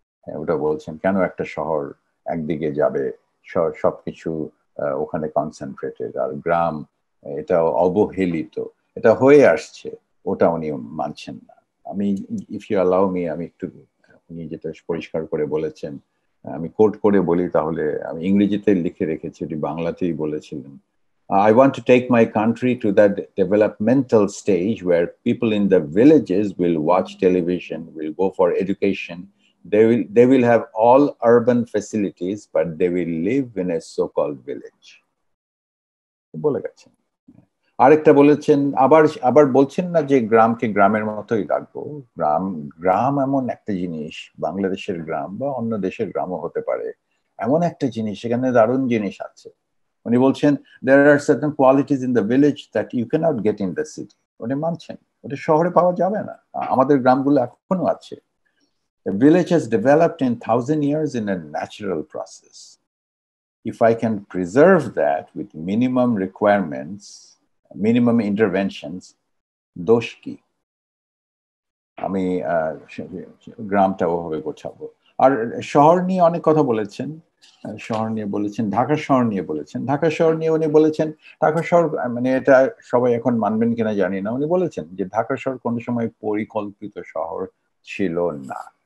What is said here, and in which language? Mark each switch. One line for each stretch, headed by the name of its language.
Bangla: হ্যাঁ, ওটা বলছেন কেন একটা শহর একদিকে যাবে, সব কিছু ওখানে কনসেন্ট্রেটেড, আর গ্রাম এটা অবহেলিত, এটা হয়ে আসছে, ওটা উনি মানছেন না। আমি
English: if you allow me
Bangla: আমি একটু উনি যেটা পরিষ্কার করে বলেছেন আমি কোট করে বলি, তাহলে আমি ইংরেজিতে লিখে রেখেছি, এটি বাংলাতেই বলেছিলেন।
English: I want to take my country to that developmental stage where people in the villages will watch television, will go for education, they will have all urban facilities, but they will live in a so-called village.
Bangla: বলে গেছেন। আরেকটা বলেছেন, আবার আবার বলছেন না যে গ্রামকে গ্রামের মতোই রাখবো, গ্রাম গ্রাম এমন একটা জিনিস, বাংলাদেশের গ্রাম বা অন্য দেশের গ্রামও হতে পারে, এমন একটা জিনিস সেখানে দারুণ জিনিস আছে। উনি বলছেন
English: there are certain qualities in the village that you cannot get in the city.
Bangla: উনি মানছেন ওটা শহরে পাওয়া যাবে না, আমাদের গ্রামগুলো এখনো আছে।
English: The village has developed in 1000 years in a natural process. If I can preserve that with minimum requirements, minimum interventions,
Bangla: দোষ কি? আমি গ্রামটাও হবে গোছাবো। আর শহর নিয়ে অনেক কথা বলেছেন, শহর নিয়ে বলেছেন, ঢাকা শহর নিয়ে বলেছেন, ঢাকা শহর নিয়ে উনি বলেছেন, ঢাকা শহর মানে এটা সবাই এখন মানবেন কিনা জানি না, উনি বলেছেন যে ঢাকা শহর কোন সময় পরিকল্পিত শহর ছিল না।